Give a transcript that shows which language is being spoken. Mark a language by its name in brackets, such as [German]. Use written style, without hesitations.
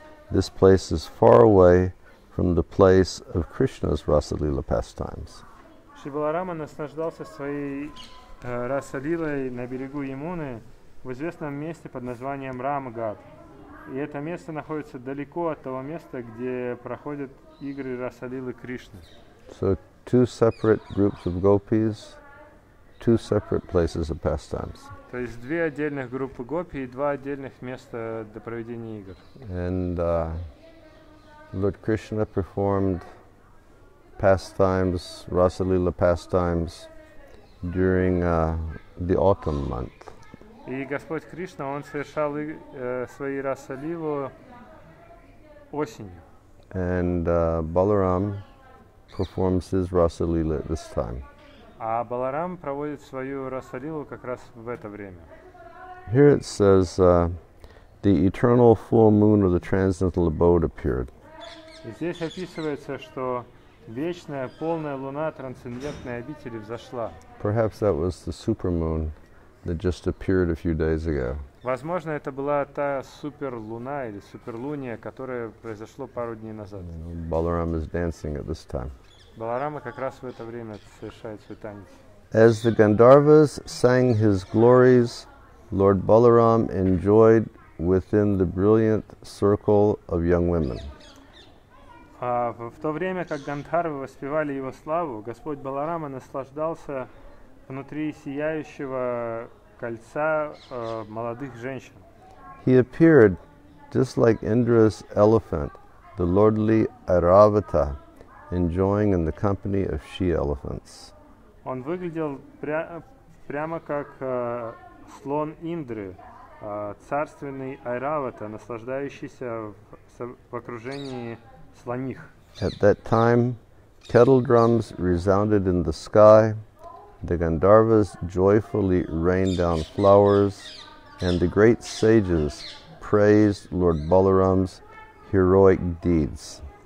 [English] This place is far away from the place of Krishna's Rasalila pastimes. [Russian] Shri Balarama наслаждался своей Rasalilai на берегу Ямуны в известном месте под названием Ramghat. И это место находится далеко от того места, где проходят игры Расалилы Кришны. [English] So two separate groups of gopis, two separate places of pastimes. [Russian] То есть две отдельных группы гопи и два отдельных места для проведения игр. [English] And Lord Krishna performed pastimes, Rasalila pastimes during the autumn month. [Russian] И Господь Кришна, Он совершал свои Расалилу осенью. [English] And Balaram performs his Расалилу at this time. [Russian] А Баларам проводит свою Расалилу как раз в это время. [English] Here it says, the eternal full moon of the transcendental abode appeared. [Russian] И здесь описывается, что вечная полная луна трансцендентной обители взошла. [English] Perhaps that was the supermoon that just appeared a few days ago. [Russian] Возможно, это была та суперлуна или суперлуния, которая произошло пару дней назад. [English] Balaram is dancing at this time. [Russian] Баларама как раз в это время совершает свой танец. [English] As the Gandharvas sang his glories, Lord Balaram enjoyed within the brilliant circle of young women. [Russian] В то время, как Гандхарвы воспевали его славу, Господь Баларама наслаждался внутри сияющего кольца молодых женщин. [English] He appeared just like Indra's elephant, the lordly Airavata, enjoying in the company of she elephants. [Russian] Он выглядел прямо как слон Индры, царственный Айравата, наслаждающийся в окружении слоних. [English] At that time, kettle drums resounded in the sky. The Gandharvas joyfully rained down flowers, and the great sages praised Lord Balaram's heroic deeds.